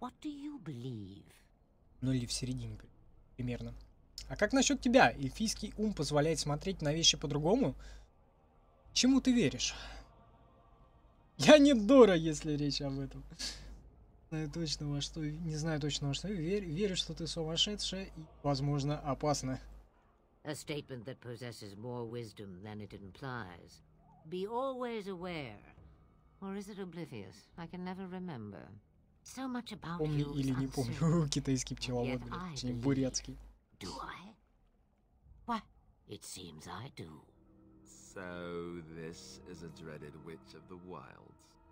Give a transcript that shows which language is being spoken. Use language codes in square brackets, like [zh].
[ru] Ну, или в середине примерно. А как насчет тебя? Эльфийский ум позволяет смотреть на вещи по-другому? Чему ты веришь? Я не дура, если речь об этом. Не знаю точно во что. Верю, что ты сумасшедшая и, возможно, опасна. [en] A statement that possesses more wisdom than it implies. Be always aware. Or is it oblivious? I can never remember. So much about you. [ru] Помню или не помню. Китайский пчеловод, точнее, бурятский. [en] Do I? Why? It seems I do. So this is a dreaded witch of the wilds.